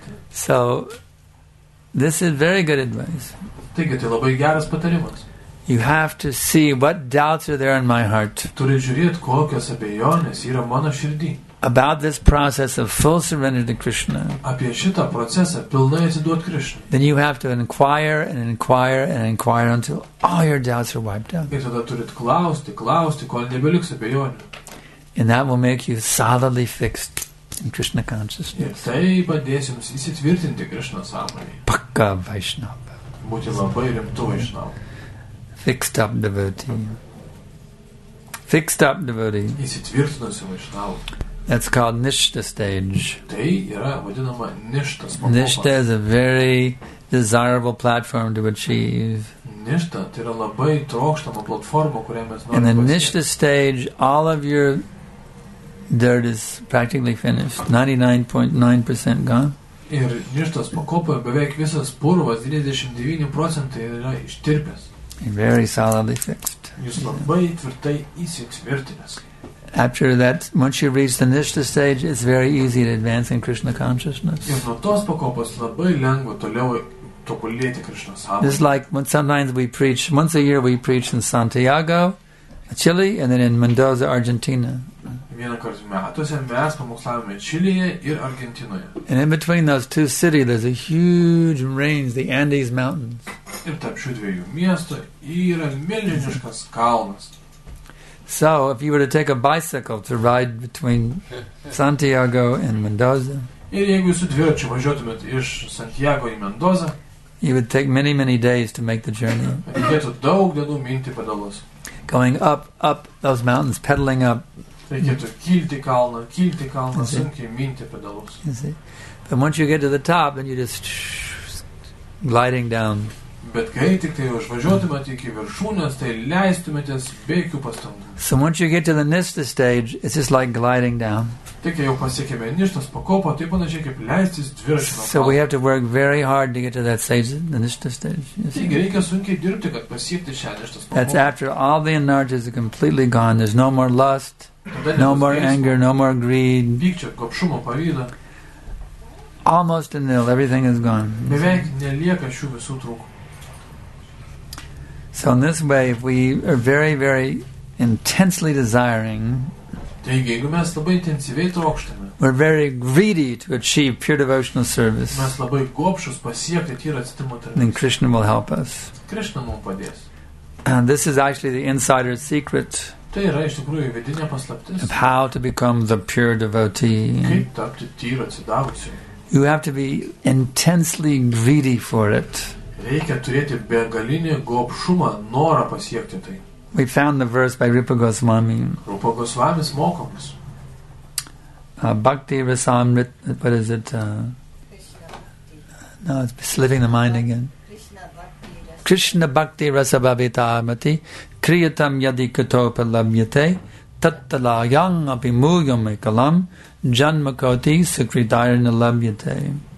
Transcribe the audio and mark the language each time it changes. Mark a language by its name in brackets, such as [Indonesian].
[English] So, this is very good advice. [Lithuanian] Taigi, tai labai geras patarimas. [English] You have to see what doubts are there in my heart. [Lithuanian] Turi žiūrėti, kokios abejonės yra mano širdy. [English] About this process of full surrender to Krishna. [Lithuanian] Apie šitą procesą pilnai atsiduot Krishna. [English] Then you have to inquire and inquire and inquire until all your doubts are wiped out. [Lithuanian] Ir tada turit klausti, klausti, kol nebeliks abejonių. [English] And that will make you solidly fixed in Krishna consciousness. [Lithuanian] Tai padės jums įsitvirtinti Krishna sąmonėje. [Hindi] Pakka Vaishnava. [Lithuanian] Būti labai rimtu Vaishnava. [English] Fixed up devotee. Fixed up devotee. [Lithuanian] Įsitvirtinusi Vaishnava. [English] That's called Nishta stage. [Lithuanian] Tai yra vadinama Nishta pakopa. [English] Nishta is a very desirable platform to achieve. [Lithuanian] Nishta, tai yra labai trokštama platforma, kurią mes norime. [English] In the Nishta stage, all of your dirt is practically finished. 99.9% gone. [Lithuanian] Ir nirštas pakopoje beveik visas purvas, 99% yra ištirpęs. [English] Very solidly fixed. [Lithuanian] Jūs labai tvirtai įsitvirtinęs. [English] After that, once you reach the nishta stage, it's very easy to advance in Krishna consciousness. [Lithuanian] Ir nuo tos pakopos labai lengva toliau tobulėti Krishna sąmonėje. [English] It's like when sometimes we preach, once a year we preach in Santiago, Chile, and then in Mendoza, Argentina. [Lithuanian] Vieną kartą metuose mes pamokslavome Čilėje ir Argentinoje. [English] And in between those two cities, there's a huge range, the Andes Mountains. [Lithuanian] Ir tarp šių dviejų miestų yra milžiniškas kalnas. [English] So, if you were to take a bicycle to ride between Santiago and Mendoza, [Lithuanian] ir jeigu su dviračiu važiuotumėt iš Santiago į Mendozą, [English] you would take many, many days to make the journey. [Lithuanian] Reikėtų daug dienų minti pedalus. [English] Going up, up those mountains, pedaling up. [Lithuanian] Reikėtų kilti kalną, sunkiai minti pedalus. [English] You see? But once you get to the top, then you just gliding down. [Lithuanian] Bet kai tik tai užvažiuotumėt iki viršūnės, tai leistumėtės be jokių pastangų. [English] So once you get to the Nista stage, it's just like gliding down. [Lithuanian] Tik jau pasiekėme Nistos pakopą, tai panašiai kaip leistis dviračiu. [English] So we have to work very hard to get to that stage, the Nista stage. [Lithuanian] Taigi reikia sunkiai dirbti, kad pasiekti šią Nistos pakopą. [English] That's after all the energies are completely gone. There's no more lust, no more anger, no more greed. [Lithuanian] Pykčio, gobšumo, pavydo. [English] Almost nil, everything is gone. [Lithuanian] Beveik nelieka šių visų trūkumų. [English] So in this way, if we are very, very intensely desiring, [Lithuanian] taigi, jeigu mes labai intensyviai trokštame, [English] we're very greedy to achieve pure devotional service, [Lithuanian] mes labai gopšus pasiekti tyrą atsitimo tarnystę, [English] then Krishna will help us. [Lithuanian] Krishna mums padės. [English] And this is actually the insider secret, [Lithuanian] tai yra iš tikrųjų vidinė paslaptis, [English] of how to become the pure devotee. [Lithuanian] Kaip tapti tyrą atsidavusiu. [English] You have to be intensely greedy for it. [Lithuanian] Reikia turėti begalinį gopšumą, norą pasiekti tai. [English] We found the verse by Rupa Goswami. [Lithuanian] Rupa Goswami mokomis. [English] Bhakti Rasamrit, what is it? [Sanskrit] Krishna Bhakti. [English] No, it's slipping the mind again. [Sanskrit] Krishna Bhakti Rasabhavita Amati Kriyatam Yadi Katopalabhyate Tattala Yang Apimuyamikalam Janmakoti Sukridayanalabhyate.